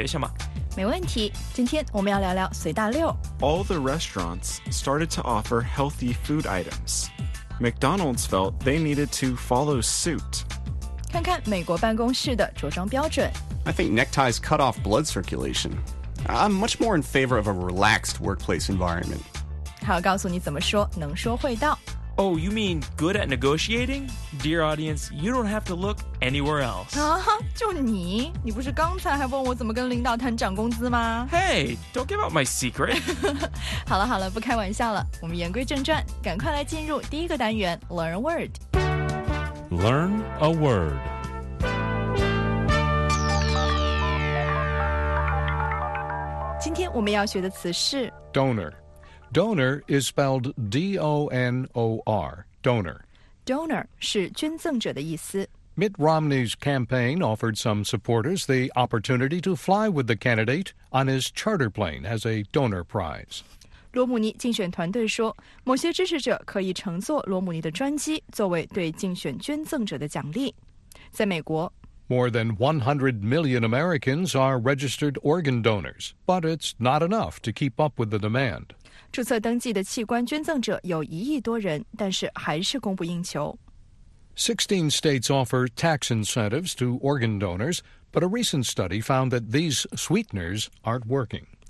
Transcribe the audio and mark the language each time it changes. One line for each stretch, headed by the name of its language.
Chinese: 欢迎大家来到这期的美语训练班，我是杨林，我是Mike。杨林来告诉大家今天都要学什么。没问题，今天我们要聊聊随大溜。
English: All the restaurants started to offer healthy food items. McDonald's felt they needed to follow suit.
Chinese: 看看美国办公室的着装标准。
English: I think neckties cut off blood circulation. I'm much more in favor of a relaxed workplace environment.
Chinese: 他要告诉你怎么说，能说会道。
English: Oh, you mean good at negotiating? Dear audience, you don't have to look anywhere else.
Chinese: 啊，就你？你不是刚才还问我怎么跟领导谈涨工资吗？
English: Hey, don't give out my secret.
Chinese: 好了好了，不开玩笑了。我们言归正传，赶快来进入第一个单元
English: Learn a Word. Learn a Word.
Chinese: 今天我们要学的词是
English: Donor. Donor is spelled D-O-N-O-R, donor.
Chinese: Donor 是捐赠者的意思。
English: Mitt Romney's campaign offered some supporters the opportunity to fly with the candidate on his charter plane as a donor prize.
Chinese: 罗姆尼竞选团队说，某些支持者可以乘坐罗姆尼的专机作为对竞选捐赠者的奖励。在美国，
English: More than 100 million Americans are registered organ donors, but it's not enough to keep up with the demand. 16 states offer tax incentives to organ donors, but a recent study found that these sweeteners aren't working.